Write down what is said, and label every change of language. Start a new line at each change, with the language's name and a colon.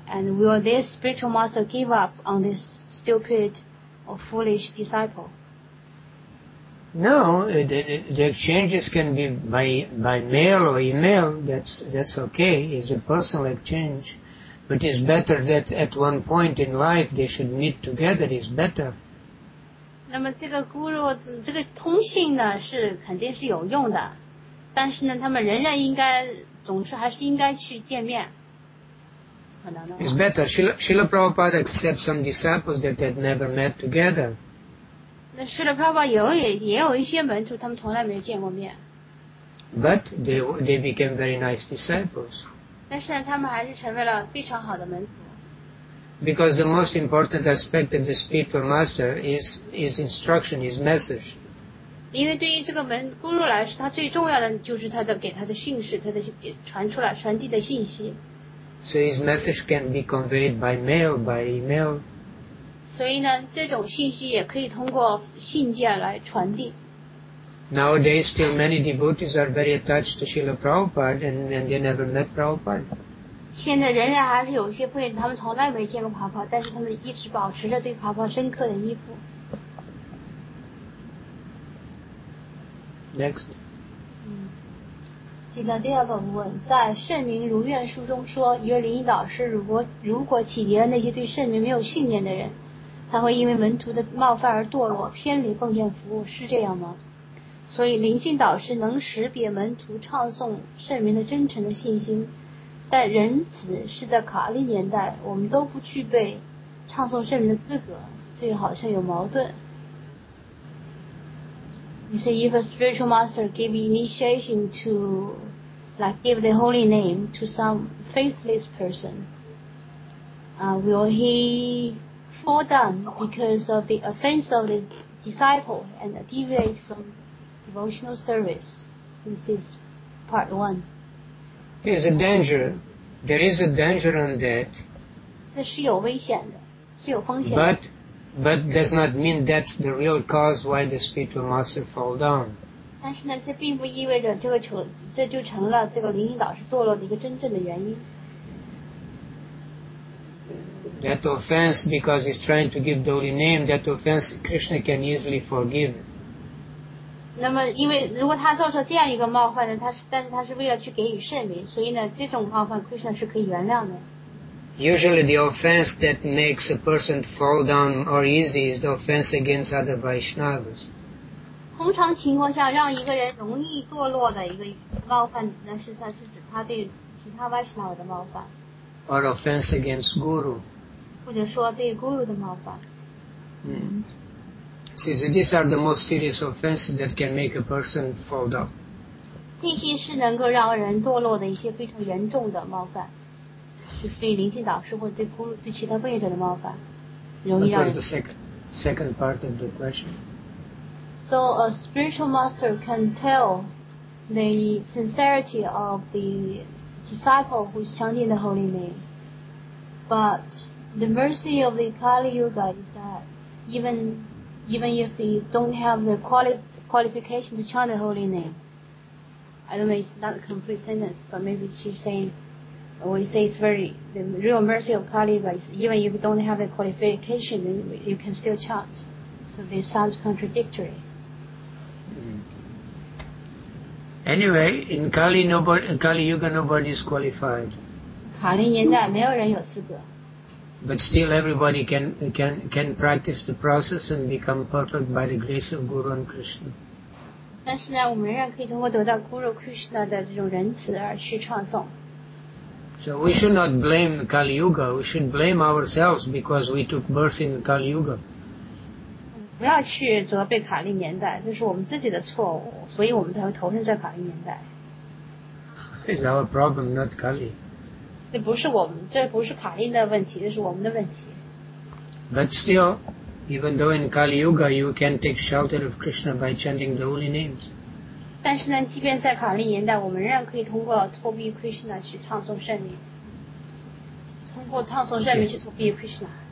English: And will this spiritual master give up on this stupid or foolish disciple? No, the exchanges can be by mail or email, that's okay, it's a personal exchange. But it's better that at one point in life they should meet together, it's better.
Chinese: 那么这个 guru, 这个通信呢是肯定是有用的，但是呢他们仍然应该总是还是应该去见面。
English: It's better, Srila Prabhupada accepts some disciples that had never met together.
Chinese: 那是的，泡泡也有一些门徒，他们从来没有见过面。
English: But they became very nice disciples.
Chinese: 但是呢，他们还是成为了非常好的门徒。
English: Because the most important aspect of the spiritual master is instruction, is message.
Chinese: 因为对于这个门咕噜来说，他最重要的就是他的给他的训示，他的传递的信息。
English: So his message can be conveyed by mail, by email.
Chinese: 所以呢，这种信息也可以通过信件来传递。
English: Nowadays, still many devotees are very attached to Srila Prabhupada, and they never met Prabhupada.
Chinese: 现在仍然还是有些人，他们从来没见过帕帕，但是他们一直保持着对帕帕深刻的依附。
English: Next.
Chinese: 现在第二个问，在《圣明如愿》书中说，一位灵性导师如果启迪了那些对圣明没有信念的人。他会因为门徒的冒犯而堕落，偏离奉献服务，是这样吗？所以灵性导师能识别门徒唱诵圣名的真诚的信心，但仁慈是在卡利年代我们都不具备唱诵圣名的资格，所以好像有矛盾。
English: You say if a spiritual master give initiation to, like give the holy name to some faithless person, will he fall down because of the offense of the disciple and deviate from devotional service? This is part one. There is a danger. There is a danger on that.
Chinese: 这是有危险的，是有风险。
English: But does not mean that's the real cause why the spiritual master fall down.
Chinese: 但是呢，这并不意味着这就成了这个灵性导师堕落的一个真正的原因。
English: That offense, because he's trying to give the holy name, that offense Krishna can easily forgive.
Chinese: 那么，因为如果他做出这样一个冒犯呢，但是他是为了去给予圣名，所以呢，这种冒犯 Krishna 是可以原谅的。
English: Usually the offense that makes a person fall down or easy is the offense against other Vaishnavas.
Chinese: 通常情况下让一个人容易堕落的一个冒犯，那是他是指他对其他 Vaishnava 的冒犯。
English: Or offense against Guru.
Chinese: 或者说对 Guru 的冒犯。
English: See, so these are the most serious offenses that can make a person fall down.
Chinese: 这些是能够让人堕落的一些非常严重的冒犯。对灵性导师或者 对其他奉献者的冒犯，容易让。
English: What was the second part of the question? So a spiritual master can tell the sincerity of the disciple who is chanting the holy name, but the mercy of the Kali Yuga is that even if they don't have the qualification to chant the holy name, I don't know, it's not a complete sentence, but maybe she's saying. We say it's the real mercy of Kali, but even if you don't have the qualification, you can still chant. So this sounds contradictory. Anyway, in Kali Yuga, nobody is qualified.
Chinese: 卡利年代没有人有资格。
English: But still, everybody can practice the process and become perfect by the grace of Guru and Krishna.
Chinese: 但是呢，我们仍然可以通过得到 Guru Krishna 的这种仁慈而去唱诵。
English: So we should not blame Kali Yuga, we should blame ourselves because we took birth in Kali Yuga.
Chinese: 不要去责备卡利年代，这是我们自己的错误，所以我们才会投身在卡利年代。
English: It's our problem, not Kali.
Chinese: 这不是卡利的问题，这是我们的问题。
English: But still, even though in Kali Yuga, you can take shelter of Krishna by chanting the holy names.
Chinese: 但是呢，即便在卡利年代，我们仍然可以通过托庇 Krishna 去唱诵圣名，通过唱诵圣名去托庇 Krishna。